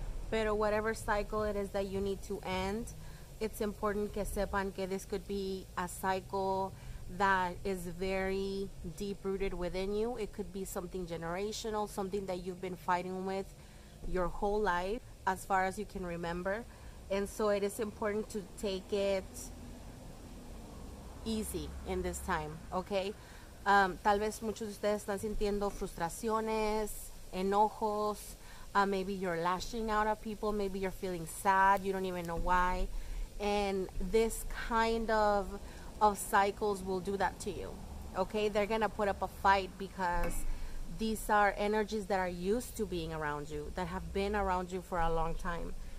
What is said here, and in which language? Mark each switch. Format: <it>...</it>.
<es>Pero</es> <en>whatever cycle it is that you need to end, it's important</en> <es>que sepan que</es> <en>this could be a cycle that is very deep-rooted within you. It could be something generational, something that you've been fighting with your whole life, as far as you can remember. And so it is important to take it easy in this time, okay?</en> <es>Tal vez muchos de ustedes están sintiendo frustraciones, enojos.</es> <en>Maybe you're lashing out at people. Maybe you're feeling sad. You don't even know why. And this kind of cycles will do that to you, okay? They're going to put up a fight because these are energies that are used to being around you, that have been around you for a long time.</en>